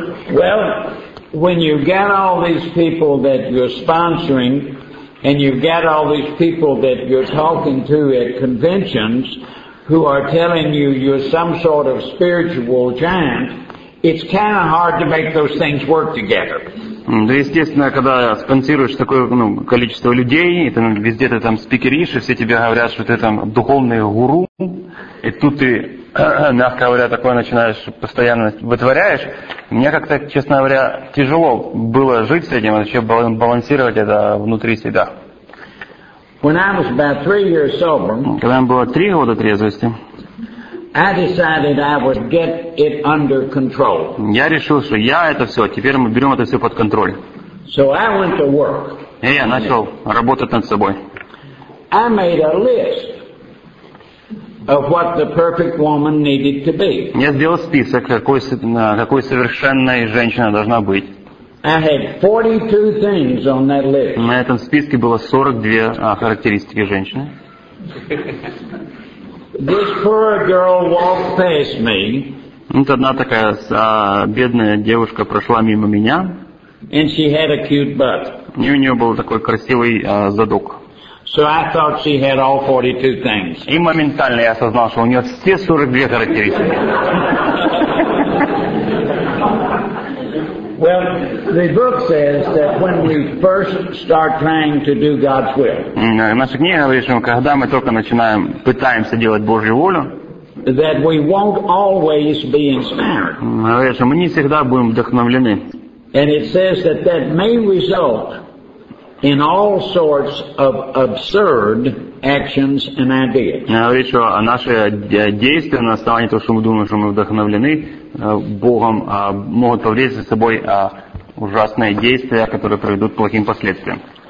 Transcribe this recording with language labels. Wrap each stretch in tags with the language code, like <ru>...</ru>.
<en>Well, when you get all these people that you're sponsoring, and you get all these people that you're talking to at conventions, who are telling you you're some sort of spiritual giant. It's kind of hard to make those things work together.</en> <ru>Да, естественно, когда спонсируешь такое количество людей, и там, везде ты там спикеришь, и все тебе говорят, что ты там духовный гуру, и тут ты, мягко говоря, такое начинаешь постоянно вытворяешь, мне как-то, честно говоря, тяжело было жить с этим, вообще балансировать это внутри себя.</ru> <en>When I was about 3 years sober,</en> <ru>когда мне было 3 года трезвости,</ru> <en>I decided I would get it under control.</en> <ru>Я решил, что я это все, теперь мы берем это все под контроль.</ru> <en>So I went to work.</en> <ru>И я начал работать над собой.</ru> <en>I made a list of what the perfect woman needed to be.</en> <ru>Я сделал список, какой совершенной женщина должна быть.</ru> <en>I had 42 things on that list.</en> <ru>На этом списке было 42 характеристики женщины.</ru> <en>This poor girl walked past me.</en> <ru>Вот одна такая бедная девушка прошла мимо меня.</ru> <en>And she had a cute butt.</en> <ru>И у нее был такой красивый задок.</ru> <en>So I thought she had all 42 things.</en> <ru>И моментально я осознал, что у нее все 42 характеристики.</ru> <en>Well, the book says that when we first start trying to do God's will,</en> <ru>наша книга говорит, что когда мы только начинаем, пытаемся делать Божью волю,</ru> <en>that we won't always be inspired.</en> <ru>Говорит, что мы не всегда будем вдохновлены.</ru> <en>And it says that that may result in all sorts of absurd actions and ideas.</en> <ru>Говорит, что наши действия на основании того, что мы думаем, что мы вдохновлены Богом, могут повлечь за собой ужасные действия, которые приведут к плохим последствиям.</ru>